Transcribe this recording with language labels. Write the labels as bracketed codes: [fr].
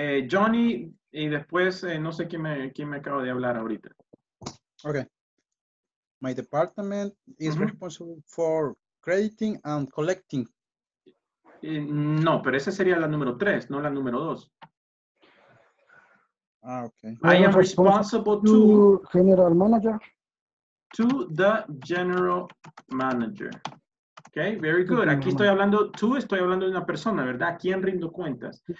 [es] Johnny, y después no sé quién me acabo de hablar ahorita. Okay. [en] My department is responsible for crediting and collecting. [es] No, pero esa sería la número 3, no la número 2. Ah, okay. [en] I am responsible to general manager. To the general manager. Okay, very good. [es] Aquí estoy hablando, tú, estoy hablando de una persona, ¿verdad? ¿A quién rindo cuentas?